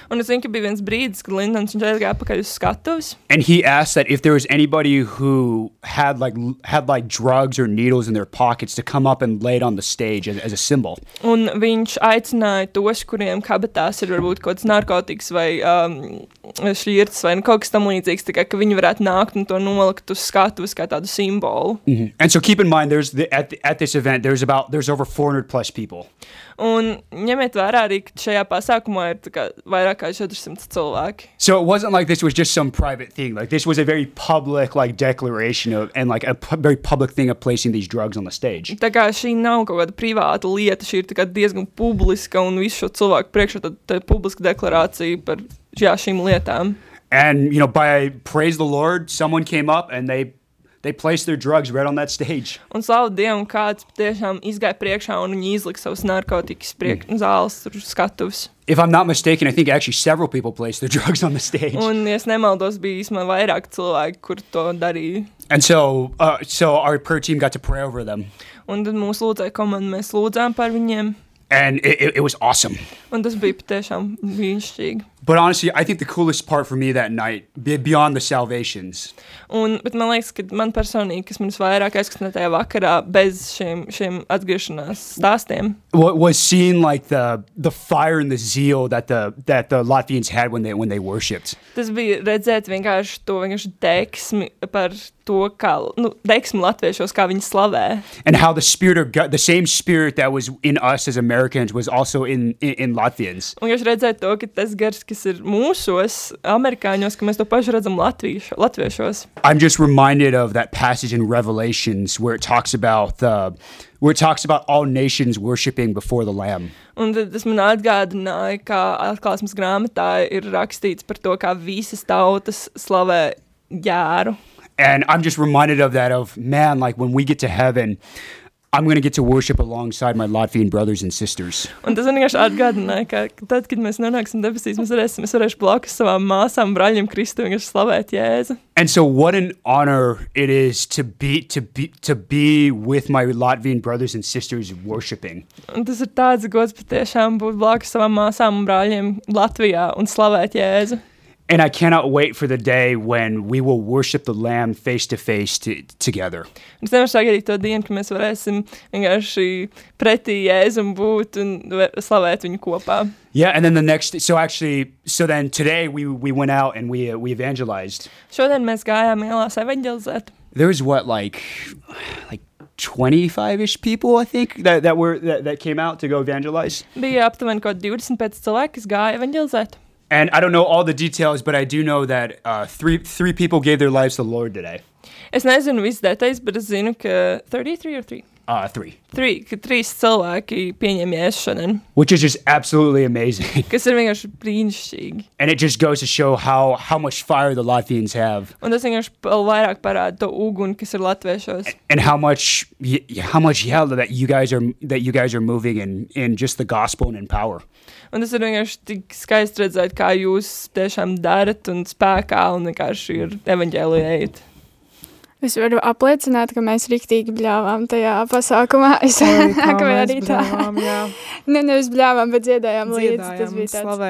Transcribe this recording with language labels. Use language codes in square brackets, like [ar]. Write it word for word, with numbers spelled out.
[lv] Un es zinu, ka bija viens brīdis, kad Lyndons aizgāja atpakaļ uz skatuves. [en] And he asked that if there was anybody who had like had like drugs or needles in their pockets to come up and lay it on the stage as, as a symbol. [lv] Un viņš aicināja tos, kuriem kabatās ir varbūt kaut kāds narkotikas vai um, šķirts vai nu, kaut kas tam līdzīgs, tā kā, ka viņi varētu nākt un to nolikt uz skatuves kā tādu simbolu. Mm-hmm. [en] And so keep in mind, there's the, at the, at this event there's about there's over four hundred plus people. [lv] Un ņemiet vērā arī šajā pasākumā ir tā kā vairāk kā četrsimt cilvēki. [en] So it wasn't like this was just some private thing. Like this was a very public like declaration of and like a pu- very public thing of placing these drugs on the stage. [lv] Tā kā šī nav kaut kāda privāta lieta, šī ir tā kā diezgan publiska un visu šo cilvēku priekšā tad tā publiska deklarācija par jā, šīm lietām. [en] And you know, by praise the Lord, someone came up and they They placed their drugs right on that stage. [lv] Un slavu Dievam, kāds tiešām izgāja priekšā un viņi izlika savus narkotikas priek zāles tur skatuves. [en] If I'm not mistaken, I think actually several people placed their drugs on the stage. [lv] Un, ja es nemaldos, bija īsmā vairāk cilvēki, kur to darīja. [en] And so, uh, so our prayer team got to pray over them. [lv] Un tad mūsu lūdzēja komanda, mēs lūdzām par viņiem. [en] And it, it, it was awesome. [lv] Un tas bija patiešām brīnišķīgi. [en] But honestly, I think the coolest part for me that night, beyond the salvations. [lv] Un, bet man liekas, ka man personīgi, kas manis vairāk aizskatināja tajā vakarā, bez šiem, šiem atgriešanās stāstiem. [en] What was seen like the the fire and the zeal that the that the Latvians had when they when they worshipped. [lv] Tas bija redzēt vienkārši to vienkārši deksmi par to, kā nu, deksmu latviešos, kā viņi slavē. [en] And how the spirit of God, the same spirit that was in us as Americans was also in, in, in Latvians. [lv] Un jūs redzēt to, ka tas gars, kas ir mūsos, amerikāņos, ka mēs to pašu redzam latviešu, latviešos. [en] I'm just reminded of that passage in Revelations where it talks about the, where it talks about all nations worshiping before the Lamb. [lv] Un tas man atgādināja, ka atklāsmes grāmatā ir rakstīts par to, kā visas tautas slavē Jēru. [en] And I'm just reminded of that, of, man, like when we get to heaven, I'm going to get to worship alongside my Latvian brothers and sisters. [lv] Un tas vienkārši atgādināja, ka tad, kad mēs nonāksim debesīs, mēs varēsim, mēs varēšu blakus savām māsām, braļiem, Kristu, vienkārši slavēt Jēzu. [en] And so what an honor it is to be, to be, to be with my Latvian brothers and sisters worshiping. [lv] Un tas ir tāds gods patiešām būt blakus savām māsām un braļiem Latvijā un slavēt Jēzu. [en] And I cannot wait for the day when we will worship the Lamb face to face together. [lv] Es nevaru sagaidīt to dienu, ka mēs varēsim vienkārši pretī Jēzum būt un slavēt viņu kopā. [en] Yeah, and then the next, so actually, so then today we we went out and we uh, we evangelized. [lv] Šodien mēs gājām ielās evangelizēt. [en] There was what, like, like twenty-five-ish people, I think, that that were that, that came out to go evangelize. [lv] Bija aptuveni kaut divdesmit pieci cilvēki, kas gāja evangelizēt. [en] And I don't know all the details, but I do know that uh, three three people gave their lives to the Lord today. [lv] Es nezinu visu detaļas, bet es zinu, ka [en] thirty-three or three? Uh, three. [lv] Three, ka trīs cilvēki pieņem Jēzu šodien. [en] Which is just absolutely amazing. [lv] Kas ir vienkārši brīnišķīgi. [en] And it just goes to show how, how much fire the Latvians have. [lv] Un tas vienkārši vairāk parāda to uguni, kas ir latviešos. [en] And, and how much how much yeah, that you guys are that you guys are moving in in just the gospel and in power. [lv] Un tas ir vienkārši tik skaisti redzēt, kā jūs tiešām darat un spēkā un vienkārši ir evaņģēlijēt. Es varu apliecināt, ka mēs riktīgi bļāvām tajā pasākumā. Es nākamajā rītā. Ne, nevis bļāvām, bet dziedājām, dziedājām līdzi. Tas bija tāds.